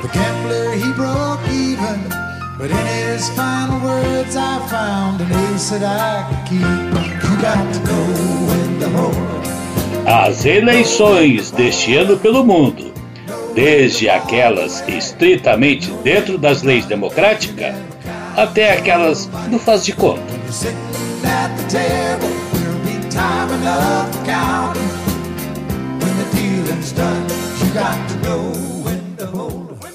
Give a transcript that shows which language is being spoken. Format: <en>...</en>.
<en>The gambler, he broke even, but in his final words I found an ace that I could keep. You got to go with the hope.</en> <pt>As eleições deste ano pelo mundo, desde aquelas estritamente dentro das leis democráticas, até aquelas do faz de conta.</pt> <en>Sitting at the table, there'll be time enough to count. When the dealing's done, you got to go. Hold.</en>